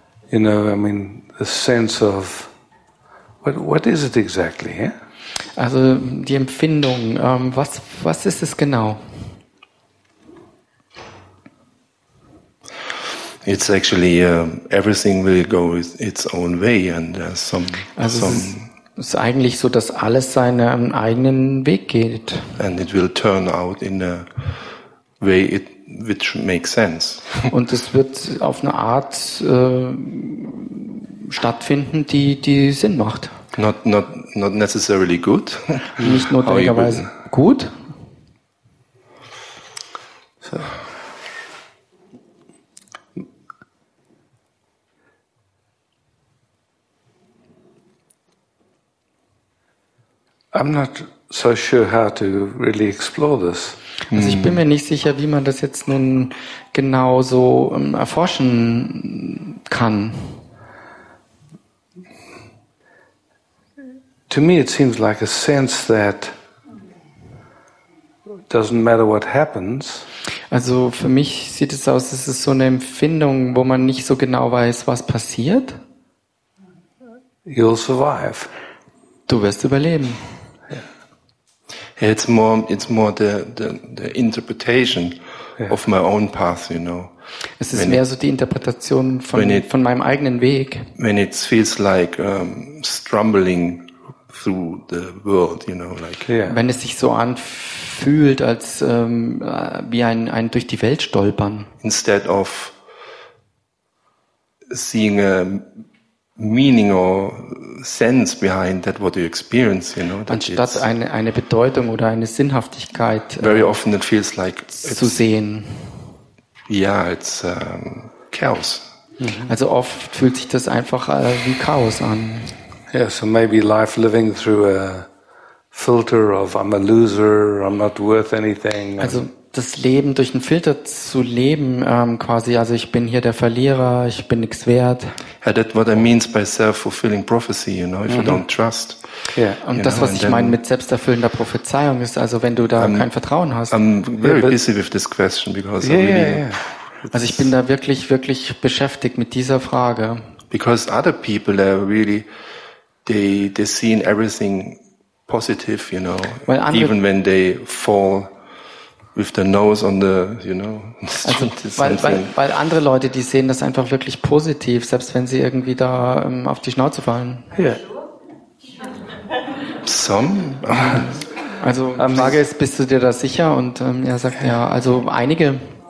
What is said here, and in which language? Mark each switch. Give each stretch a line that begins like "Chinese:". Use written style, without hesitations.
English: You know, I mean, the sense of what is it exactly? Yeah?
German: Also die Empfindung. Was ist es genau?
English: It's actually everything will go its own way and
German: Es ist eigentlich so, dass alles seinen eigenen Weg geht.
English: And it will turn out in a way it. Which makes sense.
German: Und es wird auf eine Art stattfinden, die Sinn macht.
English: Not necessarily good.
German: Nicht notwendigerweise gut.
English: So. I'm not so sure how to really explore this.
German: Also ich bin mir nicht sicher, wie man das jetzt nun genau so erforschen kann.
English: To me it seems like a sense that doesn't matter what happens.
German: Also für mich sieht es aus, es ist so eine Empfindung, wo man nicht so genau weiß, was passiert.
English: You'll survive.
German: Du wirst überleben.
English: It's more the interpretation of my own path, you know.
German: Es ist mehr so die Interpretation von meinem eigenen Weg.
English: When it feels like stumbling through the world, you know, like. Yeah.
German: Wenn es sich so anfühlt, als wie ein durch die Welt stolpern.
English: Instead of seeing a meaning or sense behind that what you experience, you know.
German: Anstatt eine Bedeutung oder eine Sinnhaftigkeit.
English: Very often it feels like
German: zu sehen.
English: Yeah, it's chaos.
German: Also oft fühlt sich das einfach wie Chaos an.
English: Yeah, so maybe life living through a filter of I'm a loser, I'm not worth anything.
German: Also das Leben durch einen Filter zu leben, quasi, also ich bin hier der Verlierer, ich bin nichts wert.
English: Yeah, that's what I mean by self-fulfilling prophecy, you know, if you don't trust. Yeah.
German: Und das, was ich meine mit selbsterfüllender Prophezeiung, ist also, wenn du da kein Vertrauen hast.
English: I'm very busy with this question because
German: Also ich bin da wirklich, wirklich beschäftigt mit dieser Frage.
English: Because other people are really, they see in everything positive, you know, even when they fall with their nose on the, you know,
German: also, weil andere Leute, die sehen das einfach wirklich positiv, selbst wenn sie irgendwie da auf die Schnauze fallen.
English: Yeah. Some.
German: Also die Frage ist, bist du dir da sicher? Und er sagt, ja, also einige.